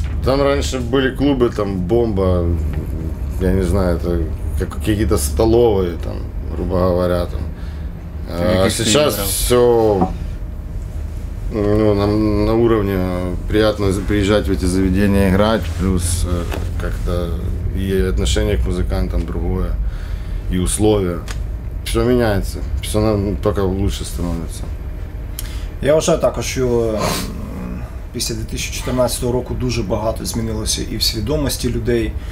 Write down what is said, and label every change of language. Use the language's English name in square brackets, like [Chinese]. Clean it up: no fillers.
[Ukrainian] Там раніше були клуби, там, бомба, я не знаю, якісь столові, там, грубо говоря, там. А зараз все, ну, на уровні, приємно приїжджати в ці заведення і грати, плюс, як-то, і відношення к музикантам другое. [Russian] И условия. Все меняется. Все только лучше становится. [Ukrainian] Я вважаю також, що після 2014 року дуже багато змінилося і в свідомості людей.